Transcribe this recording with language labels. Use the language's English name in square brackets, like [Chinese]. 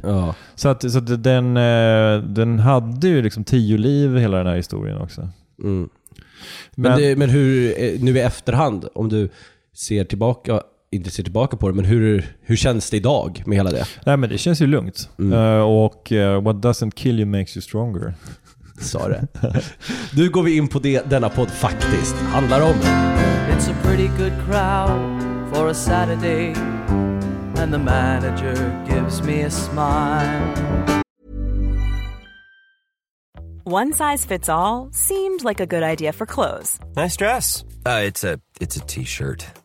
[Swedish] Ja. Så att den hade ju liksom 10 liv hela den här historien också. Mm. Men hur, nu i efterhand, om du ser tillbaka på det, men hur känns det idag med hela det? Nej, men det känns ju lugnt. Mm. [English] Och what doesn't kill you makes you stronger. [Swedish] Sa det. Nu går vi in på det denna podd faktiskt handlar om. [English] It's a pretty good crowd for a Saturday and the manager gives me a smile. One size fits all seemed like a good idea for clothes. Nice dress. It's a t-shirt.